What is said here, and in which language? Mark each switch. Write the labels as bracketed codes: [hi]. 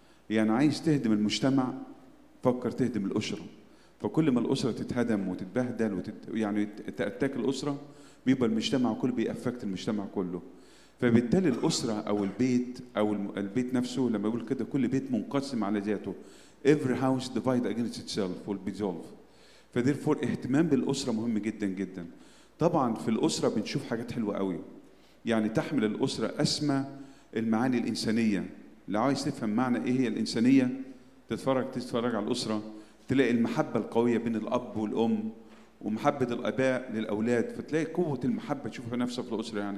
[ar] يعني عايز تهدم المجتمع فكر تهدم الأسرة. فكل ما الأسرة تتهدم وتتبهدل يعني تأتاك الأسرة بيبقى المجتمع كله بيأفكت المجتمع كله. فبالتالي الأسرة أو البيت أو البيت نفسه لما يقول كده كل بيت منقسم على ذاته. [en] Every house divided against itself will be dissolved. [ar] فdherefore اهتمام بالأسرة مهم جدا جدا. طبعا في الأسرة بنشوف حاجات حلوة قوي، يعني تحمل الأسرة أسمى المعاني الإنسانية. لو عايز تفهم معنى ايه هي الانسانيه تتفرج على الاسره، تلاقي المحبه القويه بين الاب والام ومحبه الاباء للاولاد، فتلاقي قوه المحبه تشوفها نفسها في الاسره.